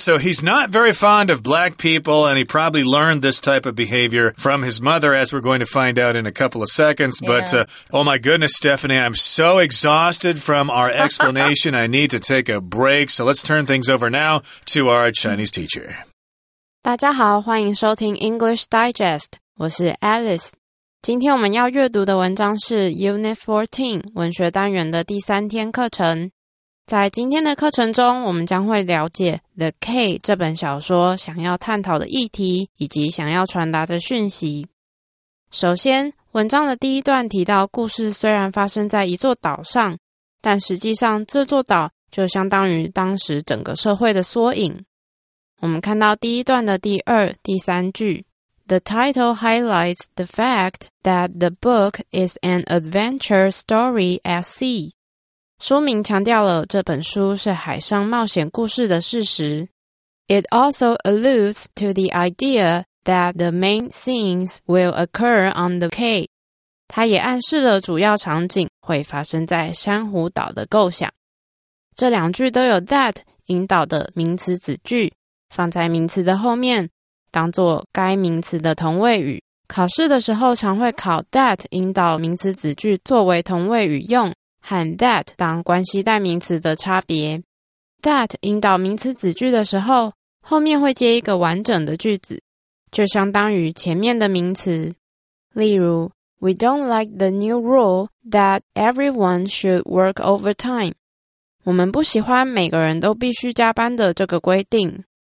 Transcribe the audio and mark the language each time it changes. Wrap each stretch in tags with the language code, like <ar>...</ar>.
<en>So he's not very fond of black people, and he probably learned this type of behavior from his mother, as we're going to find out in a couple of seconds. Yeah. But, oh my goodness, Stephanie, I'm so exhausted from our explanation. I need to take a break. So let's turn things over now to our Chinese teacher.</en> <zh>大家好，欢迎收听 English Digest， 我是 Alice。今天我们要阅读的文章是 Unit 14 文学单元的第三天课程。在今天的课程中，我们将会了解 The K 这本小说想要探讨的议题以及想要传达的讯息。首先，文章的第一段提到，故事虽然发生在一座岛上，但实际上这座岛就相当于当时整个社会的缩影。我们看到第一段的第二、第三句，</zh> <en>The title highlights the fact that the book is an adventure story at sea.</en> <zh>说明强调了这本书是海上冒险故事的事实。</zh> <en>It also alludes to the idea that the main scenes will occur on the quay.</en> <zh>它也暗示了主要场景会发生在珊瑚岛的构想。这两句都有 that 引导的名词子句，放在名词的后面当作该名词的同位语，考试的时候常会考 that 引导名词子句作为同位语用，和 that 当关系代名词的差别。 that 引导名词子句的时候，后面会接一个完整的句子，就相当于前面的名词。例如</zh> <en>We don't like the new rule that everyone should work overtime.</en> <zh>我们不喜欢每个人都必须加班的这个规定。</zh>